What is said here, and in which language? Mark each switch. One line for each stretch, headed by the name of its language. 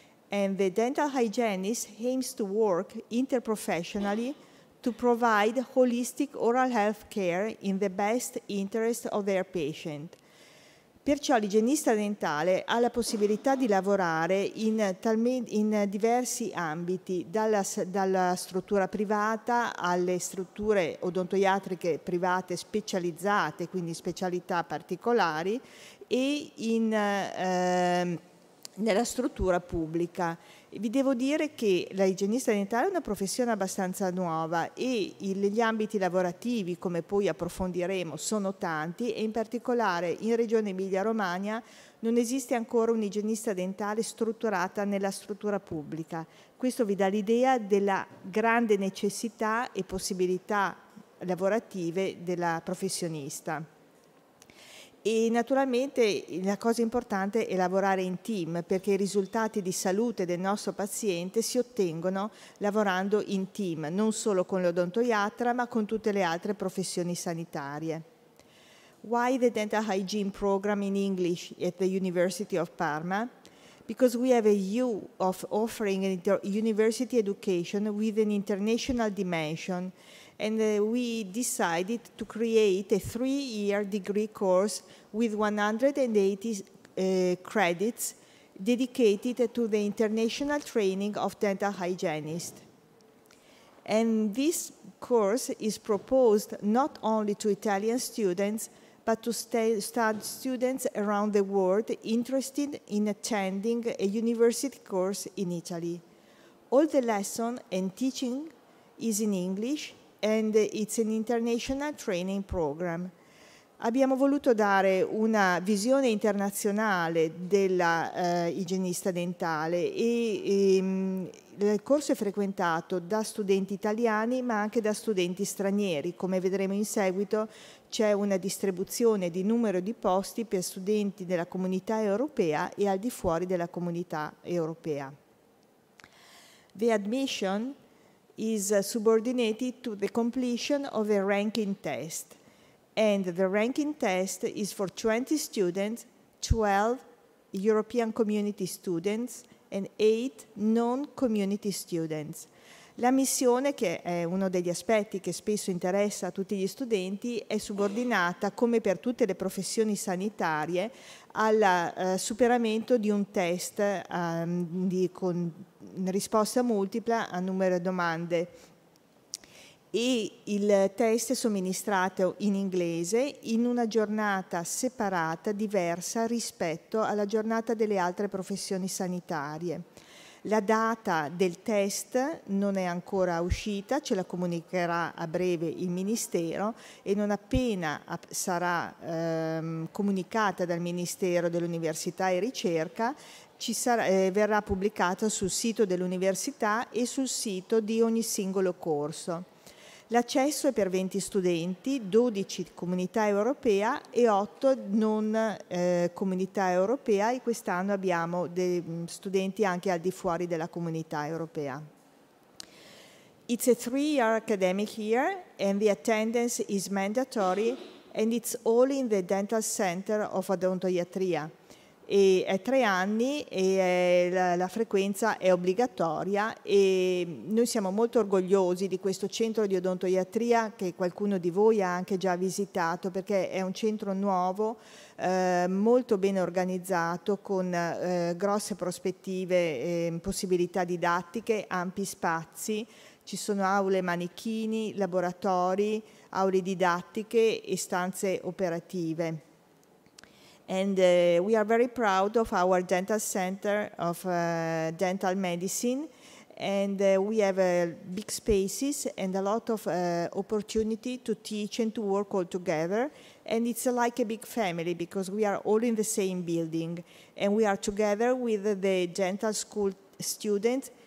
English: And the dental hygienist aims to work interprofessionally to provide holistic oral health care in the best interest of their patient.
Italian: Perciò l'igienista dentale ha la possibilità di lavorare in diversi ambiti, dalla struttura privata alle strutture odontoiatriche private specializzate, quindi specialità particolari, e nella struttura pubblica. Vi devo dire che l'igienista dentale è una professione abbastanza nuova e gli ambiti lavorativi, come poi approfondiremo, sono tanti e in particolare in Regione Emilia-Romagna non esiste ancora un'igienista dentale strutturata nella struttura pubblica. Questo vi dà l'idea della grande necessità e possibilità lavorative della professionista. E naturalmente la cosa importante è lavorare in team, perché i risultati di salute del nostro paziente si ottengono lavorando in team, non solo con l'odontoiatra, ma con tutte le altre professioni sanitarie.
English: Why the dental hygiene program in English at the University of Parma? Because we have a view of offering an university education with an international dimension, and we decided to create a three-year degree course with 180 credits dedicated to the international training of dental hygienists. And this course is proposed not only to Italian students, but to start students around the world interested in attending a university course in Italy. All the lesson and teaching is in English and it's an international training program.
Italian: Abbiamo voluto dare una visione internazionale della igienista dentale e il corso è frequentato da studenti italiani ma anche da studenti stranieri. Come vedremo in seguito c'è una distribuzione di numero di posti per studenti della comunità europea e al di fuori della comunità europea.
English: The admission is subordinated to the completion of a ranking test. And the ranking test is for 20 students, 12 European Community students and 8 non-community students.
Italian: La missione, che è uno degli aspetti che spesso interessa a tutti gli studenti, è subordinata, come per tutte le professioni sanitarie, al superamento di un test con risposta multipla a numero di domande. E il test è somministrato in inglese in una giornata separata, diversa rispetto alla giornata delle altre professioni sanitarie. La data del test non è ancora uscita, ce la comunicherà a breve il Ministero e non appena sarà comunicata dal Ministero dell'Università e Ricerca, verrà pubblicata sul sito dell'Università e sul sito di ogni singolo corso. L'accesso è per 20 studenti, 12 comunità europea e 8 non comunità europea e quest'anno abbiamo studenti anche al di fuori della comunità europea.
English: It's a 3-year academic year and the attendance is mandatory and it's all in the Dental Center of Odontoiatria.
Italian: E è 3 anni e la frequenza è obbligatoria e noi siamo molto orgogliosi di questo centro di odontoiatria che qualcuno di voi ha anche già visitato perché è un centro nuovo, molto ben organizzato con grosse prospettive, possibilità didattiche, ampi spazi, ci sono aule manichini, laboratori, aule didattiche e stanze operative.
English: And we are very proud of our dental center of dental medicine and we have big spaces and a lot of opportunity to teach and to work all together and it's like a big family because we are all in the same building and we are together with the dental school students.